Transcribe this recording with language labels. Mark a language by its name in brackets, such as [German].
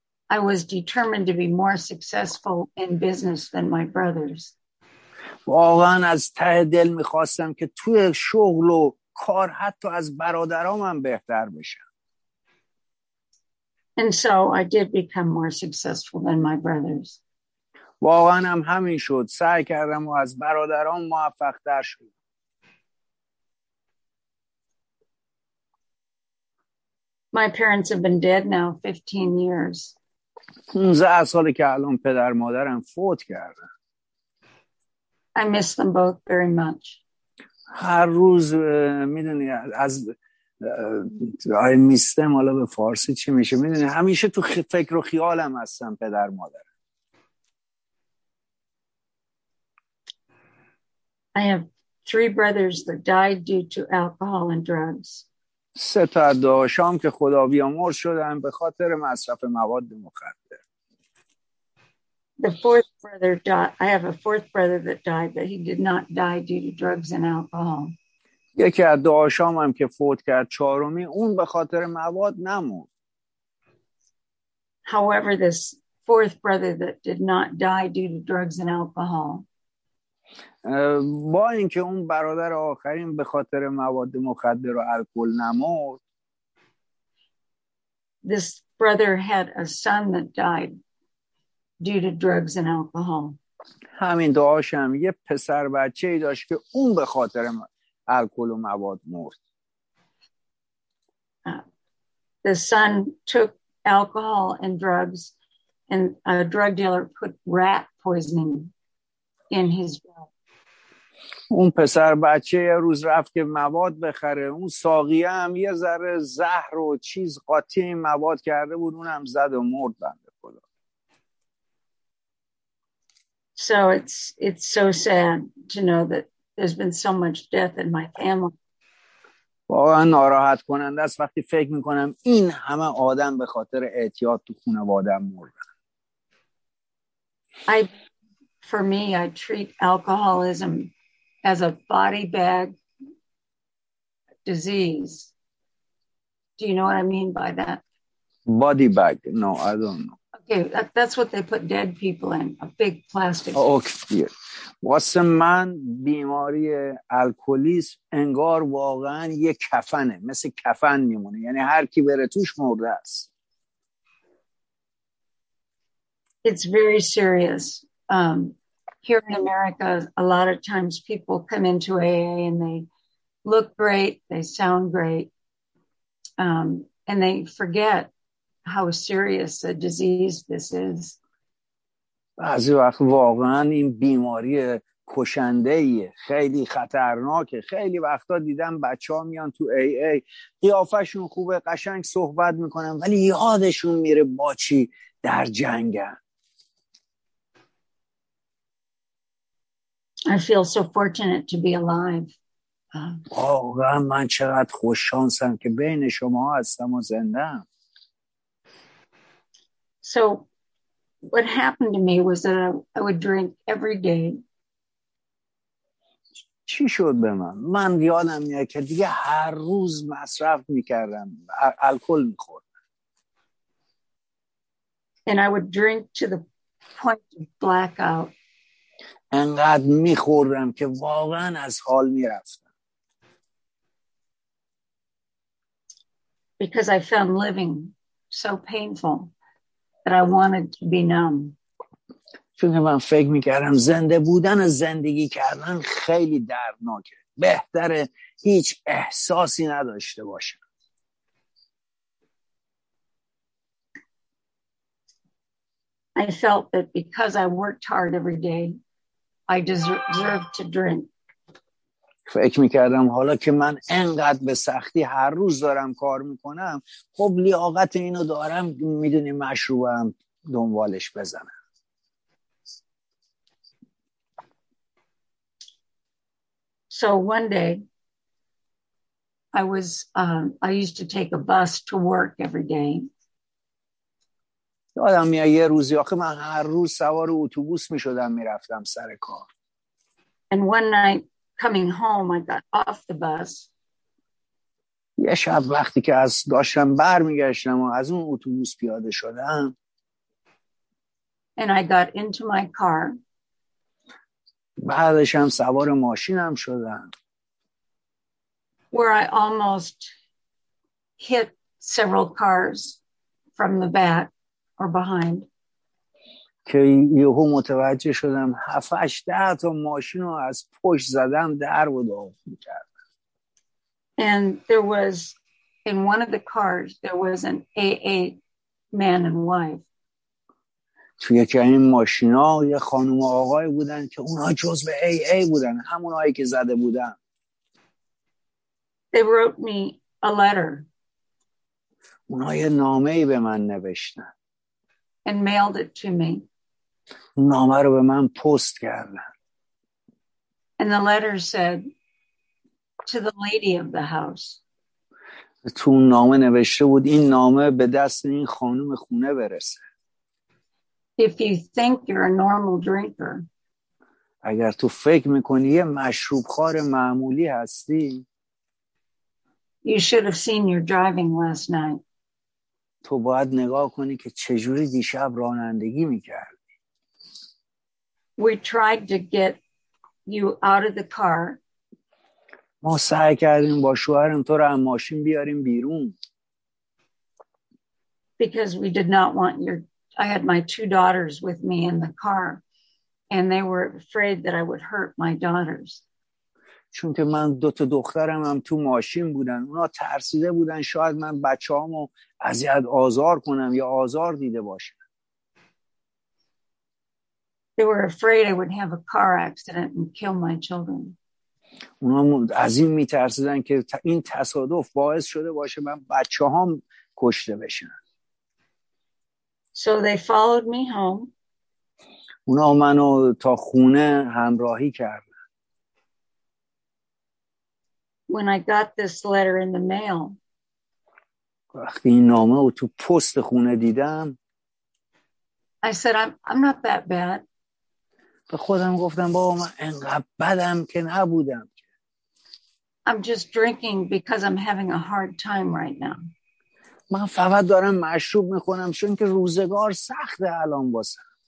[English] I was determined to be more successful in business than my brothers. [Persian] واقعا از ته دل می‌خواستم که توی شغل و کار حتی از برادرام هم بهتر بشم. [English] And so I did become more successful than my brothers. [Persian] واقعا هم همین شد. سعی کردم و از برادرام موفق‌تر شدم. [English] My parents have been dead now 15 years. [Persian] 15 سالی که الان پدر مادرم فوت کردن. [English] I miss them both very much. [Persian] هر روز میدونی از [English] I miss them، [Persian] حالا به فارسی چی میشه، میدونی همیشه تو فکر و خیالم هستم پدر مادر. [English] I have three brothers that died due to alcohol and drugs. [Persian] سه تا داداشم که خدا بیامرز شدن به خاطر مصرف مواد مخدر. [English] The fourth brother died. I have a fourth brother that died, but he did not die due to drugs and alcohol. [Persian] یکی از دعاشام هم که فوت کرد، چهارمی، اون به خاطر مواد نمرد. [English] However, this fourth brother that did not die due to drugs and alcohol. [Persian] با اینکه اون برادر آخرین به خاطر مواد مخدر و الکل نمرد. [English] This brother had a son that died due to drugs and alcohol. [Persian] همین دعاشم یه پسر بچه‌ای داشت که اون به خاطر الکل و مواد مرد. [English] The son took alcohol and drugs and a drug dealer put rat poisoning in his blood. [Persian] اون پسر بچه یه روز رفت که مواد بخره، اون ساقی هم یه ذره زهر و چیز قاطی مواد کرده بود، اونم زد و مرد بند. [English] So it's so sad to know that there's been so much death in my family. [Persian] واقعا ناراحت کننده است وقتی فکر میکنم این همه آدم به خاطر اعتیاد تو خانواده‌ام مردن. [English] For me I treat alcoholism as a body bag disease. Do you know what I mean by that? Body bag? No, I don't know. Okay, that's what they put dead people in, a big plastic. Okay. [Persian] واسه من بیماری الکلیسم انگار واقعا یه کفنه، مثل کفن میمونه، یعنی هر کی بره توش مرده است. [English] It's very serious. Here in America, a lot of times people come into AA and they look great, they sound great, and they forget how serious a disease this is. [Persian] بعضی وقت واقعا این بیماری کشنده‌ایه، خیلی خطرناکه. خیلی وقتا دیدم بچه ها میان تو AA، قیافشون خوبه، قشنگ صحبت میکنن، ولی یادشون میره با چی در جنگن. [English] I feel so fortunate to be alive. [Persian] واقعا من چقدر خوششانسم که بین شما هستم و زندم. [English] So what happened to me was that I would drink every day. [Persian] چی شد به من؟ من یادم میاد که دیگه هر روز مصرف میکردم، الکل میخوردم. [English] And I would drink to the point of blackout. [Persian] انقدر میخوردم که واقعا از حال میرفتم. [English] Because I found living so painful. That I wanted to be numb. [Persian] چون من فکر میکردم زنده بودن و زندگی کردن خیلی دردناکه، بهتره هیچ احساسی نداشته باشم. [English] I felt that because I worked hard every day, I deserve to drink. [Persian] فکر میکردم حالا که من انقدر به سختی هر روز دارم کار میکنم، خب لیاقت اینو دارم، میدونی مشروبم دنبالش بزنم. [English] So one day I was I used to take a bus to work every day. [Persian] یادم میاد یه روزی آخه من هر روز سوار اتوبوس میشدم میرفتم سر کار. [English] And one night coming home I got off the bus. [Persian] یه شب وقتی که از داشتم برمیگشتم و از اون اتوبوس پیاده شدم، [English] and I got into my car. [Persian] بعدش هم سوار ماشینم شدم. [English] Where I almost hit several cars from the back or behind. [Persian] که یهو متوجه شدم 7-8 تا ماشین رو از پشت زدم در و داغ می‌کردم. [English] And there was in one of the cars there was an AA man and wife. [Persian] توی یکی این ماشینا یه خانم و آقای بودن که اونا جزء AA بودن، همونایی که زده بودن. [English] They wrote me a letter. [Persian] اونا یه نامه‌ای به من نوشتن. [English] And mailed it to me. [Persian] نامه رو به من پست کردن. [English] And the letter said to the lady of the house. [Persian] تو نامه نوشته بود این نامه به دست این خانم خونه برسه. [English] If you think you're a normal drinker, [Persian] اگر تو فکر میکنی یه مشروب خور معمولی هستی، [English] you should have seen your driving last night. [Persian] تو باید نگاه کنی که چجوری دیشب رانندگی میکردی. [English] We tried to get you out of the car. [Persian] ما سعی کردیم با شوهرم تو رو از ماشین بیاریم بیرون. [English] Because we did not want your I had my two daughters with me in the car and they were afraid that I would hurt my daughters. [Persian] چون که من دو تا دخترم هم تو ماشین بودن، اونا ترسیده بودن شاید من بچه‌هامو اذیت آزار کنم یا آزار دیده باشم. [English] They were afraid I would have a car accident and kill my children. [Persian] اونا از این می‌ترسیدن که این تصادف باعث شده باشه من بچه‌هام کشته بشن. [English] So they followed me home. [Persian] اونا منو تا خونه همراهی کردن. [English] When I got this letter in the mail. [Persian] وقتی این نامه رو تو پست خونه دیدم. [English] I said I'm not that bad. [Persian] به خودم گفتم بابا من انقدر بدم که نبودم. [English] I'm just drinking because I'm having a hard time right now. [Persian] من فقط دارم مشروب میخونم چون که روزگار سخته الان واسم.